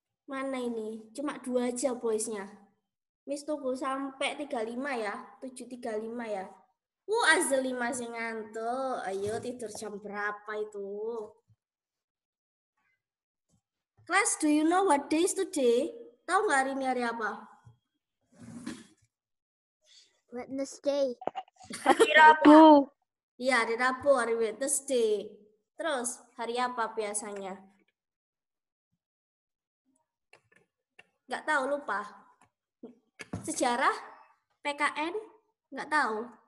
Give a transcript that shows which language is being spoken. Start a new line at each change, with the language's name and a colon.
Indonesian: Mana ini? Cuma dua aja voice-nya. Miss tunggu sampai 35 ya, 735 ya. Azli masih ngantuk. Ayo tidur jam berapa itu?
English: Class, do you know what day is today?
Indonesian: Tahu nggak hari ini hari apa?
English: Wednesday.
Indonesian: Hari Rabu. Iya, hari Rabu, hari Wednesday. Terus, hari apa biasanya? Nggak tahu, lupa. Sejarah? PKN? Nggak tahu.